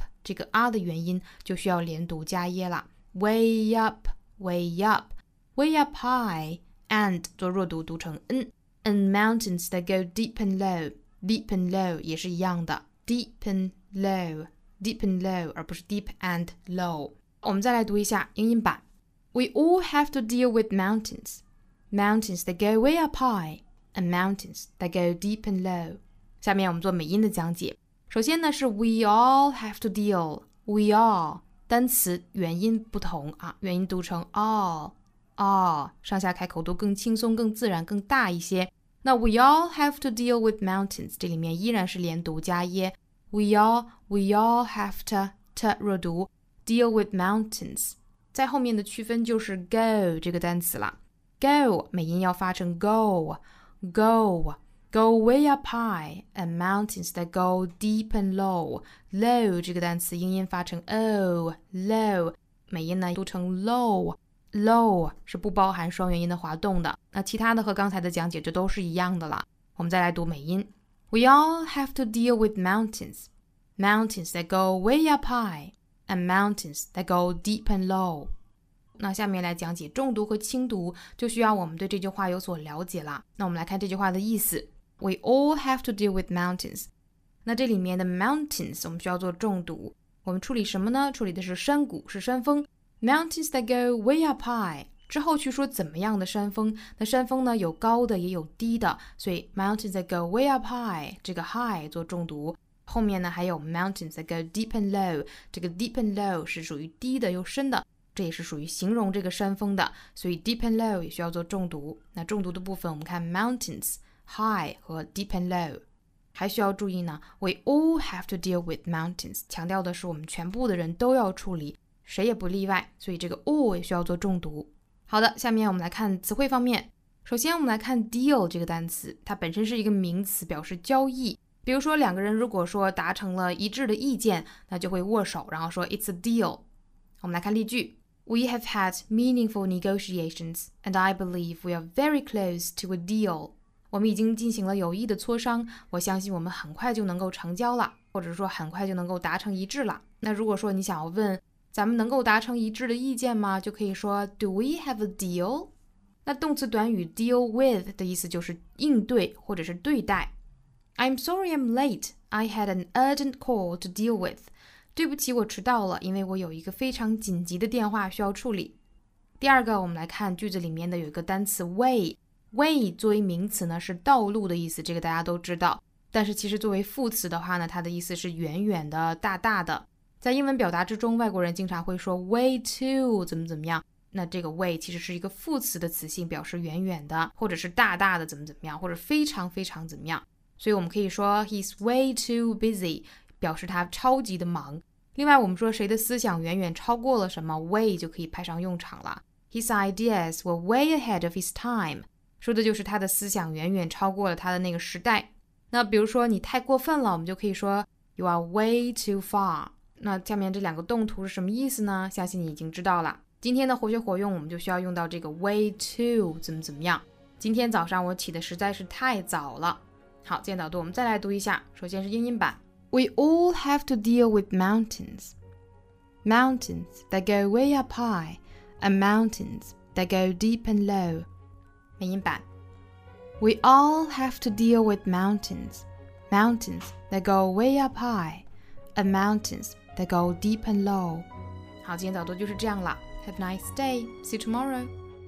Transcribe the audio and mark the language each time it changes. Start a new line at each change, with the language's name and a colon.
Chinese: 这个
English: r
Chinese: 的元音就需要连读加
English: e 了， way up way up way up high and
Chinese: 做弱读读成
English: n， and mountains that go deep and low， deep and low
Chinese: 也是一样的，
English: deep and low deep and low
Chinese: 而不是
English: deep and low。
Chinese: 我们再来读一下英音版。
English: We all have to deal with mountains. Mountains that go way up highand mountains that go deep and low.
Chinese: 下面我们做美音的讲解。首先呢是
English: we all have to deal， we all，
Chinese: 单词元音不同啊，元音读成 all， all， 上下开口都更轻松更自然更大一些。
English: 那 we all have to deal with mountains，
Chinese: 这里面依然是连读加
English: e， we all have to， t
Chinese: 弱读，
English: deal with mountains。
Chinese: 在后面的区分就是
English: go
Chinese: 这个单词了，
English: go
Chinese: 美音要发成
English: go，Go, go way up high, and mountains that go deep and low.
Chinese: Low 这个单词英音发成 o, low, 美音呢读成 low, low 是不包含双元音的滑动的。那其他的和刚才的讲解就都是一样的了。我们再来读美音。
English: We all have to deal with mountains, mountains that go way up high, and mountains that go deep and low.
Chinese: 那下面来讲解重读和轻读，就需要我们对这句话有所了解了。那我们来看这句话的意思。
English: We all have to deal with mountains.
Chinese: 那这里面的 mountains 我们需要做重读。我们处理什么呢？处理的是山谷，是山峰。
English: Mountains that go way up high.
Chinese: 之后去说怎么样的山峰。那山峰呢，有高的也有低的。所以
English: mountains that go way up high, 这个 high
Chinese: 做重读。后面呢还有
English: mountains that go deep and low,
Chinese: 这个
English: deep and low
Chinese: 是属于低的又深的，这也是属于形容这个山峰的，所以 deep and low 也需要做重读。那重读的部分我们看 mountains, high 和
English: deep and low。
Chinese: 还需要注意呢，
English: we all have to deal with mountains,
Chinese: 强调的是我们全部的人都要处理，谁也不例外，所以这个 all 也需要做重读。好的，下面我们来看词汇方面。首先我们来看 deal 这个单词，它本身是一个名词，表示交易。比如说两个人如果说达成了一致的意见，那就会握手，然后说
English: it's a deal。
Chinese: 我们来看例句。
English: We have had meaningful negotiations and I believe we are very close to a deal.
Chinese: 我们已经进行了有益的磋商，我相信我们很快就能够成交了，或者说很快就能够达成一致了。那如果说你想要问咱们能够达成一致的意见吗，就可以说
English: Do we have a deal?
Chinese: 那动词短语 deal with 的意思就是应对或者是对待。
English: I'm sorry I'm late. I had an urgent call to deal with.
Chinese: 对不起，我迟到了，因为我有一个非常紧急的电话需要处理。第二个，我们来看句子里面的有一个单词 way。way 作为名词呢，是道路的意思，这个大家都知道。但是其实作为副词的话呢，它的意思是远远的、大大的。在英文表达之中，外国人经常会说 way to 怎么怎么样。那这个 way 其实是一个副词的词性，表示远远的，或者是大大的怎么怎么样，或者非常非常怎么样。所以我们可以说
English: he's way too busy,
Chinese: 表示他超级的忙。另外我们说谁的思想远远超过了什么， way 就可以派上用场了。
English: His ideas were way ahead of his time,
Chinese: 说的就是他的思想远远超过了他的那个时代。那比如说你太过分了，我们就可以说
English: you are way too far。
Chinese: 那下面这两个动图是什么意思呢？相信你已经知道了。今天的活学活用我们就需要用到这个 way too 怎么怎么样。今天早上我起的实在是太早了。好，今天导读我们再来读一下。首先是英音版。
English: We all have to deal with mountains. Mountains that go way up high and mountains that go deep and low.
Chinese: 美音版。
English: We all have to deal with mountains. Mountains that go way up high and mountains that go deep and low.
Chinese: 好，今天导读就是这样了。
English: Have a nice day. See you tomorrow.